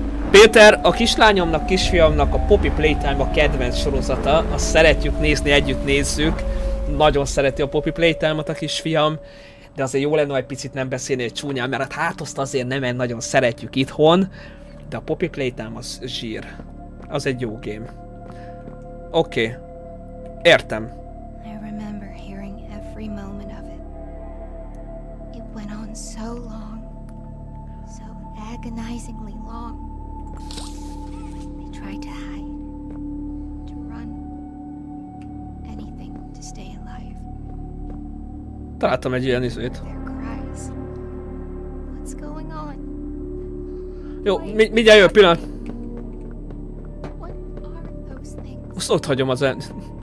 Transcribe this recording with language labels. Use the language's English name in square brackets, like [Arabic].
[Hungarian] Péter, a kislányomnak, kisfiamnak a Poppy Playtime a kedvenc sorozata, azt szeretjük nézni, együtt nézzük. Nagyon szereti a Poppy Playtime-ot a kisfiam, de azért jó lenne, ha egy picit nem beszélni egy csúnyán, mert hát azt azért nem egy nagyon szeretjük itthon, de a Poppy Playtime az zsír. Az egy jó game. Oké. Okay. Értem. [English] I remember hearing every moment of it. It went on so long. So agonizingly long. Try to hide, to run, anything to stay alive. [Hungarian] Találtam egy ilyen izőt. [English] What's going on? [Hungarian] Jó, mindjárt jön a pillanat. Azt ott hagyom az end.